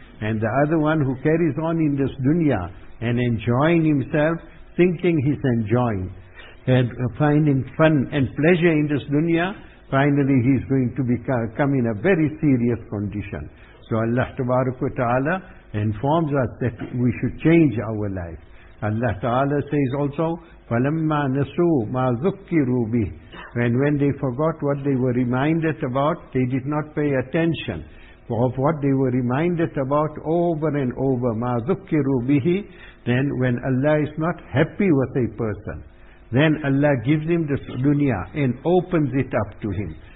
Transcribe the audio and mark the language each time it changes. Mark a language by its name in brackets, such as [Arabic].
[English] And the other one who carries on in this dunya and enjoying himself, thinking he's enjoying, and finding fun and pleasure in this dunya, finally he's going to come in a very serious condition. So Allah Ta'ala informs us that we should change our life. Allah Ta'ala says also, [Arabic] فَلَمَّا نَسُوا مَا ذُكِّرُوا بِهِ. [English] And when they forgot what they were reminded about, they did not pay attention. Of what they were reminded about over and over, [Arabic] مَا ذُكِّرُوا بِهِ. [English] Then when Allah is not happy with a person, then Allah gives him this dunya and opens it up to him.